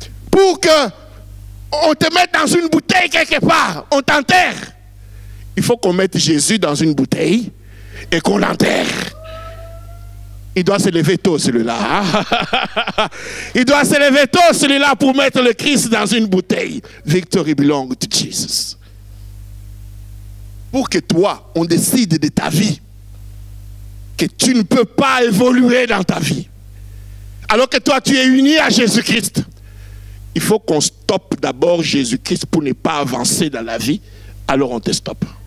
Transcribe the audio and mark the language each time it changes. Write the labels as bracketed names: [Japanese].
[French] Pour qu'on te mette dans une bouteille quelque part, on t'enterre. Il faut qu'on mette Jésus dans une bouteille et qu'on l'enterre. Il doit se lever tôt celui-là. Il doit se lever tôt celui-là pour mettre le Christ dans une bouteille. [English] Victory belongs to Jesus. [French] Pour que toi, on décide de ta vie, que tu ne peux pas évoluer dans ta vie, alors que toi, tu es uni à Jésus-Christ. Il faut qu'on stoppe d'abord Jésus-Christ pour ne pas avancer dans la vie, alors on te stoppe.